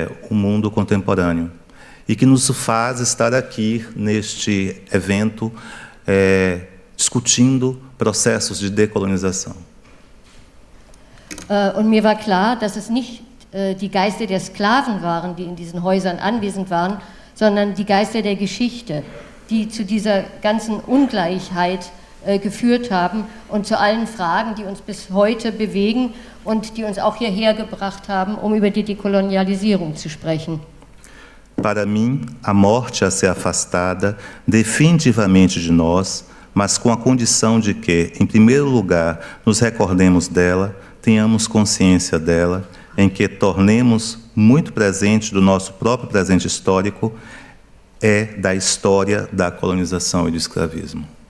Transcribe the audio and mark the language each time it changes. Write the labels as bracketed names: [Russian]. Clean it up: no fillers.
[Portuguese] o mundo contemporâneo e que nos faz estar aqui neste evento discutindo processos de decolonização. [German] Und mir war klar, dass es nicht die Geister der Sklaven waren, die in diesen Häusern anwesend waren, sondern die Geister der Geschichte, die zu dieser ganzen Ungleichheit geführt haben und zu allen Fragen, die uns bis heute bewegen und die uns auch hierher gebracht haben, um über die Dekolonialisierung zu sprechen. [Portuguese] Para mim, a morte a ser afastada definitivamente de nós, mas com a condição de que, em primeiro lugar, nos recordemos dela, tenhamos consciência dela, em que tornemos muito presente do nosso próprio presente histórico, é da história da colonização e do escravismo.